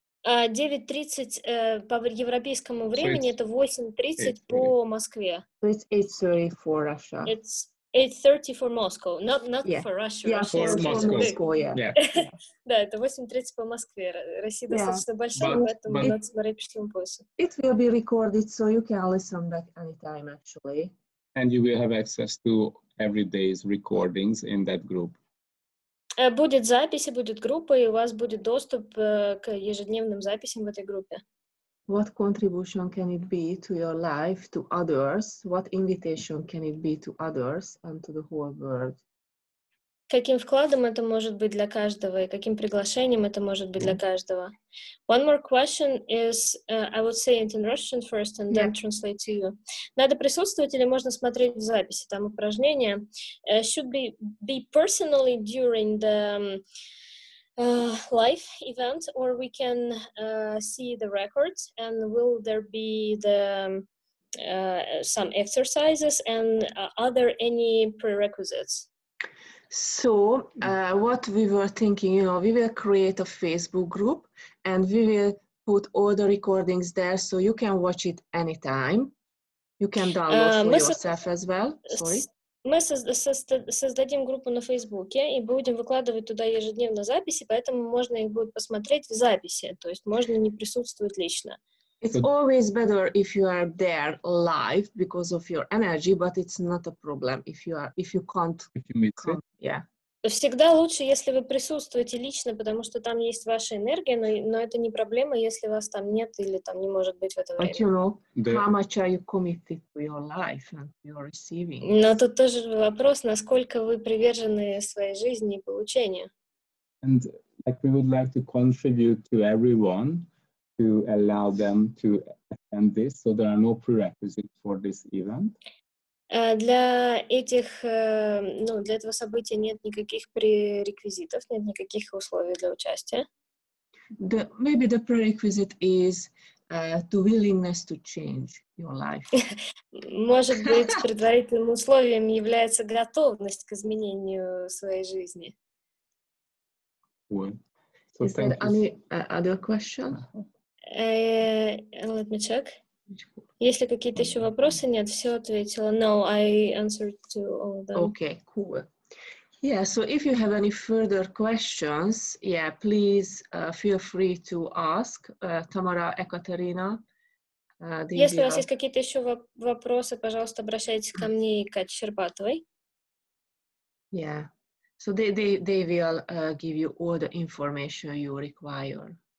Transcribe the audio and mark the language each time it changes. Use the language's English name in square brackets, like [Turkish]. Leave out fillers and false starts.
[Russian] 9:30 по европейскому времени, это 8:30 по Москве. [English] So it's 8:30 for Russia. It's 8:30 for Moscow, not yeah. for Russia. Yeah, Russia. For Moscow. Moscow, yeah. Yeah. [Russian] Да, это 8:30 по Москве. Россия достаточно большая, поэтому надо смотреть пешком поясу. [English] It will be recorded, so you can listen back anytime, actually. And you will have access to every day's recordings in that group. [Russian] Будет запись, будет группа, и у вас будет доступ к ежедневным записям в этой группе. [English] What contribution can it be to your life, to others? What invitation can it be to others and to the whole world? [Russian] Каким вкладом это может быть для каждого, и каким приглашением это может быть для каждого? [English] One more question is, I would say it in Russian first and then translate to you. [Russian] Надо присутствовать или можно смотреть в записи, там упражнения? [English] Should be personally during the live event, or we can see the record, and will there be the some exercises and are there any prerequisites? So, what we were thinking, you know, we will create a Facebook group and we will put all the recordings there so you can watch it anytime. You can download for yourself as well. Sorry. [Russian] Мы создадим группу на Фейсбуке и будем выкладывать туда ежедневно записи, поэтому можно их будет посмотреть в записи, то есть можно не присутствовать лично. [English] It's always better if you are there live because of your energy, but it's not a problem if you are if you can't. If you miss it. Yeah. [Russian] Всегда лучше, если вы присутствуете лично, потому что там есть ваша энергия, но это не проблема, если вас там нет или там не может быть в это время. [English] But you know, how much are you committed to your life and your receiving? [Russian] Но тут тоже вопрос, насколько вы привержены своей жизни и получению. [English] And like we would like to contribute to everyone to allow them to attend this, so there are no prerequisites for this event. [Russian] Для этих, ну, для этого события нет никаких пререквизитов, нет никаких условий для участия. [English] The, maybe the prerequisite is the willingness to change your life. [Russian] Может быть, предварительным условием является готовность к изменению своей жизни. [English] What? So is there any other question? Let me check. [Russian] Есть ли какие-то еще вопросы? Нет, все ответила. [English] No, I answered to all of them. Okay, cool. Yeah, so if you have any further questions, yeah, please feel free to ask Tamara, Ekaterina. [Russian] Если у вас есть какие-то еще вопросы, пожалуйста, обращайтесь ко мне и Кате Щербатовой. [English] Yeah, so they will give you all the information you require.